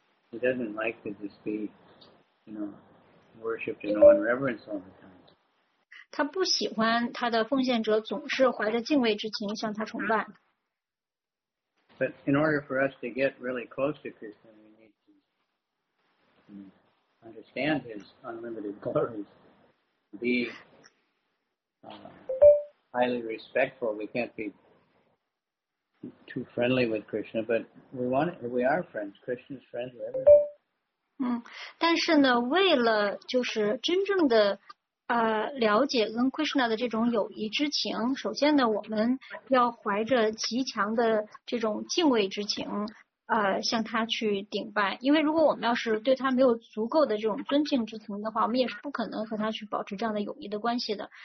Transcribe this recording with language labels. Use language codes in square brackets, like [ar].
[en] He doesn't like to just be, you know, worshipped in awe and reverence all the time. [zh] 他不喜欢他的奉献者总是怀着敬畏之情向他崇拜。 [en] But in order for us to get really close to Krishna, we need to understand his unlimited glories, be highly respectful. We can't be too friendly with Krishna, but we are friends. Krishna's friends with everyone. [zh] 但是呢，为了就是真正的。了解跟 Krishna 的这种友谊之情，首先呢，我们要怀着极强的这种敬畏之情，向他去顶拜。因为如果我们要是对他没有足够的这种尊敬之情的话，我们也是不可能和他去保持这样的友谊的关系的。